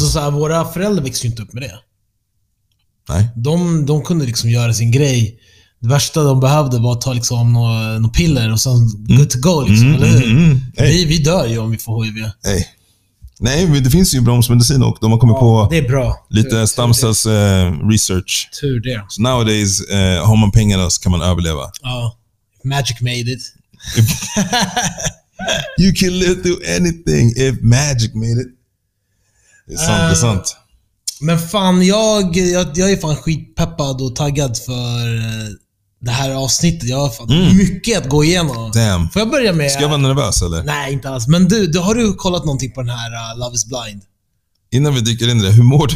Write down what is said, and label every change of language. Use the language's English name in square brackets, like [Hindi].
[Swedish] Alltså så här, våra föräldrar växte ju inte upp med det. Nej. De kunde liksom göra sin grej. Det värsta de behövde var att ta liksom några piller och sen [English] go to go [Swedish] liksom, eller hur? Vi dör ju om vi får HIV. [English] Hey. [Swedish] Nej, men det finns ju bromsmedicin och de har kommit på det är bra. Lite stamcells research. Tur det. [English] So nowadays, [Swedish] har man pengarna så kan man överleva. Ja, [English] magic made it. You can live through anything if magic made it. [Swedish] Det är sant. Men fan, jag är fan skitpeppad och taggad för det här avsnittet. Jag har fan mycket att gå igenom. [English] Damn. [Swedish] Får jag börja med... Ska jag vara nervös eller? Nej, inte alls. Men du har du kollat någonting på den här Love is Blind? Innan vi dyker in i det, hur mår du?